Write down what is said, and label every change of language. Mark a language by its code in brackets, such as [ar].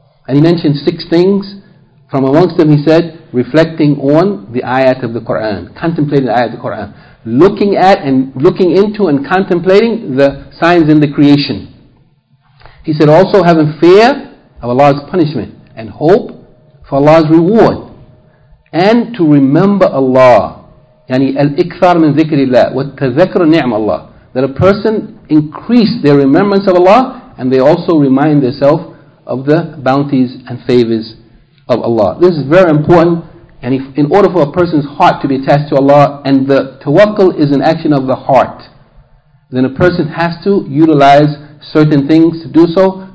[en] And he mentioned six things. From amongst them, he said, reflecting on the ayat of the Qur'an, contemplating the ayat of the Qur'an, looking at and looking into and contemplating the signs in the creation. He said also having fear of Allah's punishment and hope for Allah's reward, and to remember Allah. [ar] يعني الإكثار من ذكر الله والتذكر نعم الله. [en] That a person increase their remembrance of Allah, and they also remind themselves of the bounties and favors of Allah. This is very important. And if, in order for a person's heart to be attached to Allah, and the tawakkul is an action of the heart, then a person has to utilize certain things to do so.